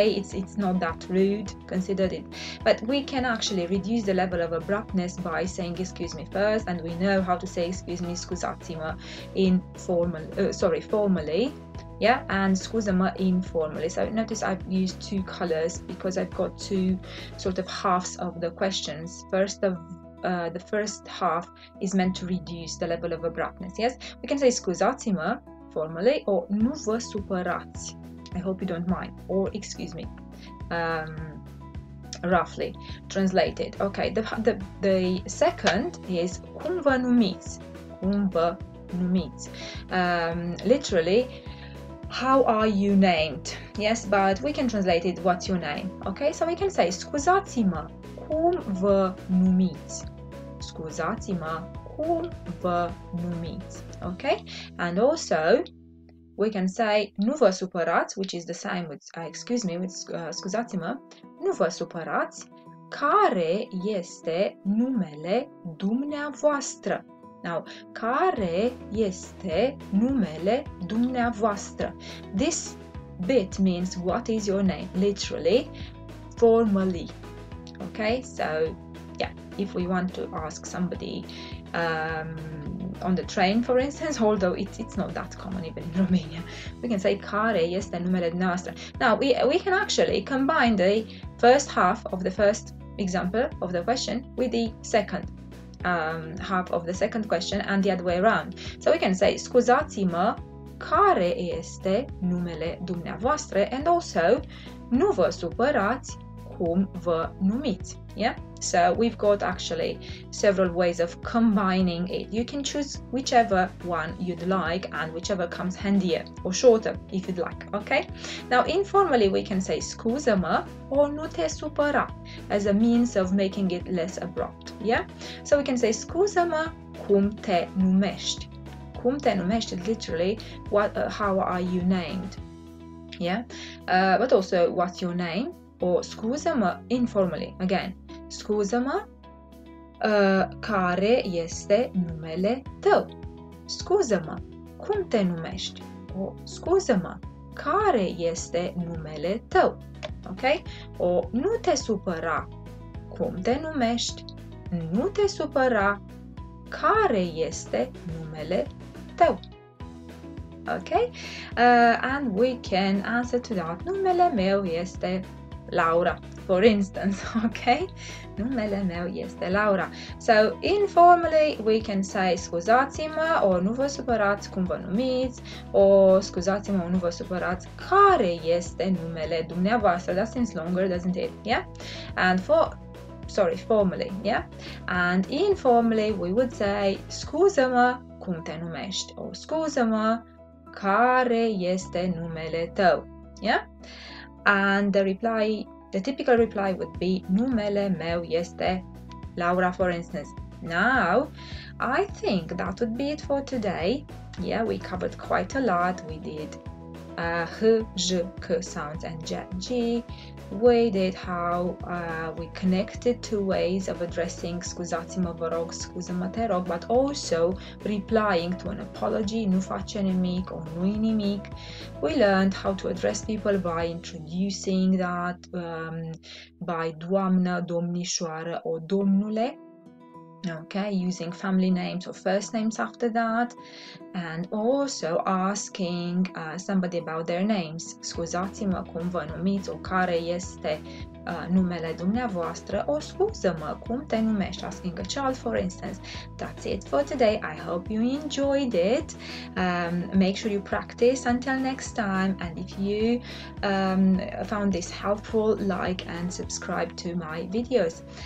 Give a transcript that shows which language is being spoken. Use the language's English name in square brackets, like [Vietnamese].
[English] It's not that rude, considered it. But we can actually reduce the level of abruptness by saying excuse me first, and we know how to say excuse me, [Romanian] scusatima [English] in formal, formally. Yeah, and [Romanian] scusama [English] informally. So notice I've used two colors because I've got two sort of halves of the questions. First of the first half is meant to reduce the level of abruptness. Yes, we can say [Romanian] scusatima [English] formally or [Romanian] nu vă supărați. [English] I hope you don't mind. Or excuse me, roughly translated. Okay, the second is [Romanian] cum vă numiți. Cum vă numiți. [English] Literally, how are you named? Yes, but we can translate it, what's your name? Okay, so we can say [Romanian] scuzați-mă, cum vă numiți? Scuzați-mă, cum vă numiți? [English] Okay, and also we can say [Romanian] nu vă supărați, [English] which is the same with, excuse me, with [Romanian] scuzați-mă, nu vă supărați, care este numele dumneavoastră? Now, care este numele dumneavoastră? [English] This bit means what is your name, literally, formally. Okay, so yeah, if we want to ask somebody on the train, for instance, although it's not that common even in Romania, we can say [Romanian] care este numele dumneavoastră. [English] Now, we can actually combine the first half of the first example of the question with the second half of the second question and the other way around. So we can say [Romanian] scuzați-mă, care este numele dumneavoastră, and also nu vă supărați, cum vă numiți. [English] Yeah, so we've got actually several ways of combining it. You can choose whichever one you'd like and whichever comes handier or shorter if you'd like. Okay, now informally we can say [Romanian] scuză-mă [English] or [Romanian] nu te supăra [English] as a means of making it less abrupt. Yeah, so we can say [Romanian] scuză-mă cum te numești. Cum te numești, [English] literally, what, how are you named? Yeah, but also what's your name? Or scuză-mă informally, again, [Romanian] scuză-mă care este numele tău? Scuză-mă, cum te numești? Or scuză-mă, care este numele tău? Okay? Or nu te supăra, cum te numești? Nu te supăra, care este numele tău? Okay? [English] And we can answer to that, [Romanian] numele meu este Laura, [English] for instance, okay? [Romanian] Numele meu este Laura. [English] So, informally, we can say [Romanian] scuzați-mă or nu vă supărați cum vă numiți or scuzați-mă or nu vă supărați care este numele dumneavoastră. [English] That seems longer, doesn't it? Yeah? And formally, yeah? And informally, we would say [Romanian] scuză-mă cum te numești [English] or [Romanian] scuză-mă care este numele tău. [English] Yeah? And the typical reply would be [Romanian] numele meu este Laura, [English] for instance. Now, I think that would be it for today. Yeah, we covered quite a lot. We did h, j, k sounds and j, g. We did how we connected two ways of addressing [Romanian] scuzați-mă, vă rog, scuză-mă, te rog, [English] but also replying to an apology, [Romanian] nu face nimic [English] or [Romanian] nu-i nimic. [English] We learned how to address people by introducing that by doamnă, domnișoară or domnule. Okay, using family names or first names after that, and also asking somebody about their names. [Romanian] Scuzați-mă cum vă numiți, o care este numele dumneavoastră, o scuză-mă cum te numești, [English] asking a child, for instance. That's it for today. I hope you enjoyed it. Make sure you practice until next time, and if you found this helpful, like and subscribe to my videos.